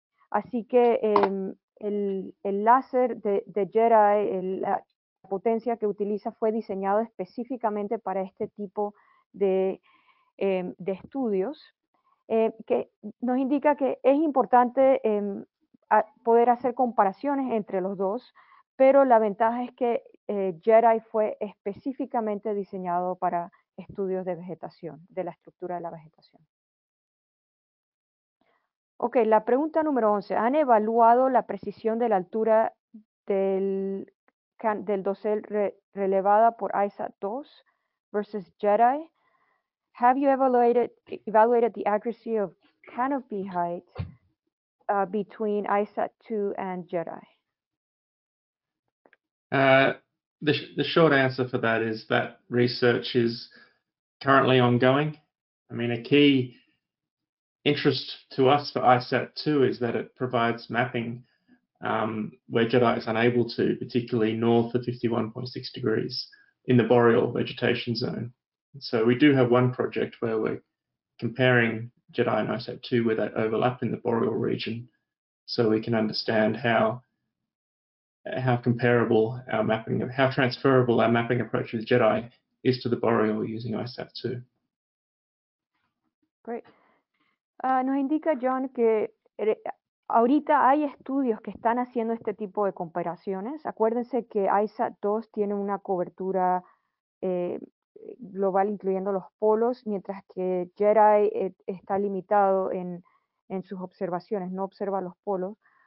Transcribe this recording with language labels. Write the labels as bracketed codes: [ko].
[es] Así que el láser de JEDI, la potencia que utiliza, fue diseñado específicamente para este tipo de estudios, que nos indica que es importante poder hacer comparaciones entre los dos, pero la ventaja es que JEDI fue específicamente diseñado para estudios de vegetación, de la estructura de la vegetación. Ok, la pregunta número 11. ¿Han evaluado la precisión de la altura del dosel relevada por ISAT-2 versus JEDI? [en] Have you evaluated the accuracy of canopy height between ISAT-2 and JEDI? The short answer for that is that research is currently ongoing. I mean, a key interest to us for ISAT-2 is that it provides mapping where JEDI is unable to, particularly north of 51.6 degrees in the boreal vegetation zone. So we do have one project where we're comparing JEDI and ISAT-2 where they overlap in the boreal region, so we can understand how transferable our mapping approach with JEDI is to the boreal using ISAT-2. Great. [es] Nos indica John que ahorita hay estudios que están haciendo este tipo de comparaciones. Acuérdense que ISAT-2 tiene una cobertura global, incluyendo los polos, mientras que JEDI está limitado en sus observaciones, no observa los polos.